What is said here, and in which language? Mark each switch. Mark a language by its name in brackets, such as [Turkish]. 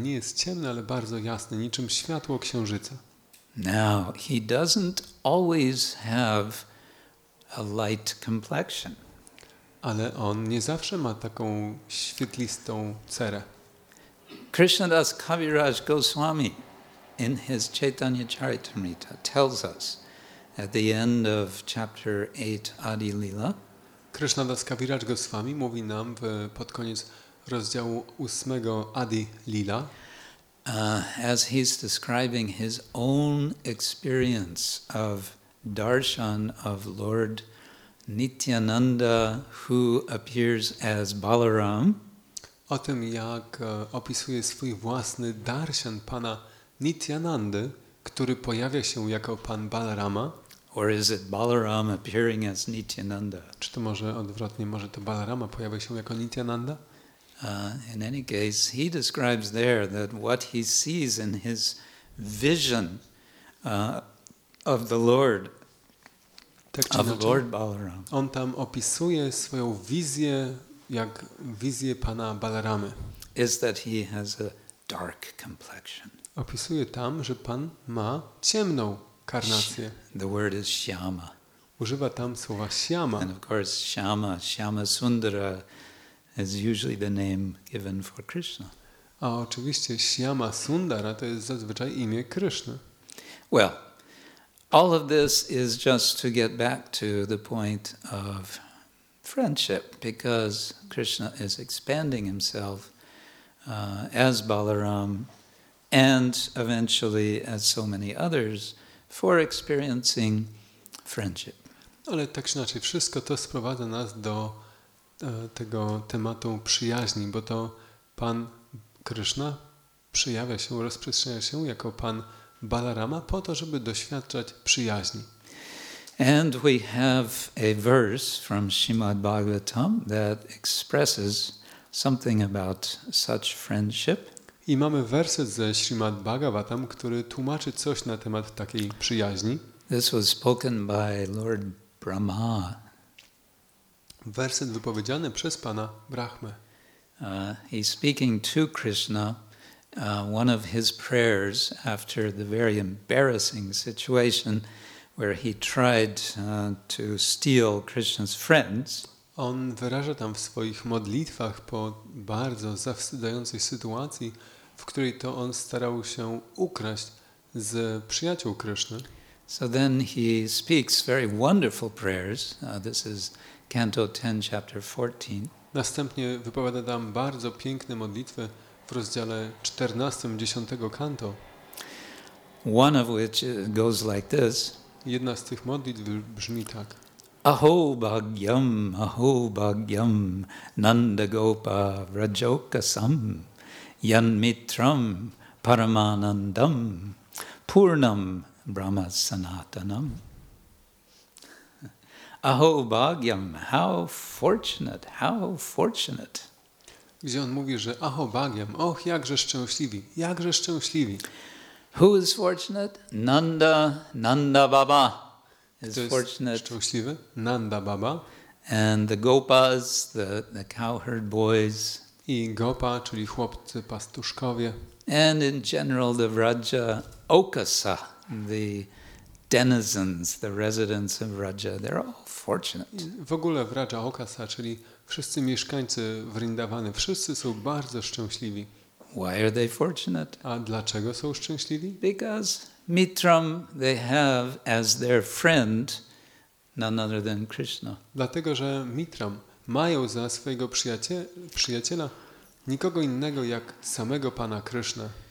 [Polish] Nie jest ciemny, ale bardzo jasny, niczym światło księżyca. [English] Now, he doesn't always have a light complexion. [Polish] Ale on nie zawsze ma taką świetlistą cerę. [English] Krishnadas Kaviraj Goswami in his Chaitanya Charitamrita tells us at the end of chapter 8 Adi Lila. [Polish] Krishnadas Kaviraj Goswami mówi nam pod koniec rozdziału 8 Adi Lila. [English] As he's describing his own experience of darshan of Lord Nityananda, who appears as Balaram. [Polish] O tym, jak opisuje swój własny darshan pana Nityanandy, który pojawia się jako pan Balarama. [English] Or is it Balaram appearing as Nityananda? [Polish] Czy to może odwrotnie, może to Balarama pojawia się jako Nityananda? [English] In any case, he describes there that what he sees in his vision of the Lord. [Polish] Tak czy inaczej, Lord Balaram. On tam opisuje swoją wizję, jak wizję pana Balaramy. [English] Is that he has a dark complexion. [Polish] Opisuje tam, że pan ma ciemną karnację. [English] The word is śyama. [Polish] używa tam słowa Shyama. [English] And of course, Shyama, Shyama Sundara is usually the name given for Krishna. [Polish] A oczywiście Shyama Sundara to jest zazwyczaj imię Krishna. [English] Well, all of this is just to get back to the point of friendship, because Krishna is expanding himself as Balaram and eventually as so many others for experiencing friendship. [Polish] Ale tak czy inaczej, wszystko to sprowadza nas do tego tematu przyjaźni, bo to Pan Krishna przejawia się, rozprzestrzenia się jako Pan Balarama po to, żeby doświadczać przyjaźni. [English] And we have a verse from Srimad Bhagavatam that expresses something about such friendship. [Polish] I mamy werset ze Srimad Bhagavatam, który tłumaczy coś na temat takiej przyjaźni. [English] This was spoken by Lord Brahma. [Polish] Werset wypowiedziany przez Pana Brahmę. [English] He's speaking to Krishna. One of his prayers after the very embarrassing situation where he tried to steal Krishna's friends. [Polish] On wyraża tam w swoich modlitwach po bardzo zawstydzającej sytuacji, w której to on starał się ukraść z przyjaciół Krishna. [English] So then he speaks very wonderful prayers. This is Canto 10, chapter 14. [Polish] Następnie wypowiada tam bardzo piękne modlitwy w rozdziale 14, 10 kanto. [English] One of which goes like this. [Polish] Jedna z tych modlitw brzmi tak. [Sanskrit] Aho bhagyam, aho bhagyam, nanda gopa vrajokasam, yan mitram paramanandam, purnam brahma sanatanam. Aho bhagyam, [English] how fortunate, [Polish] gdzie on mówi, że [Sanskrit] aho bhagyam, [Polish] och, jakże szczęśliwi, jakże szczęśliwi. [English] Who is fortunate? Nanda, Nanda Baba is fortunate. [Polish] Kto jest szczęśliwy? Nanda Baba. [English] And the gopas, the cowherd boys. [Polish] I gopa, czyli chłopcy pastuszkowie. [English] And in general the Raja Okasa, the denizens, the residents of Raja, they're all fortunate. [Polish] W ogóle w Raja Okasa, czyli wszyscy mieszkańcy Vrindavany, wszyscy są bardzo szczęśliwi. [English] Why are they fortunate? [Polish] A dlaczego są szczęśliwi? [English] Because Mitram they have as their friend none other than Krishna. [Polish] Dlatego, że Mitram mają za swojego przyjaciela nikogo innego jak samego Pana Krishna.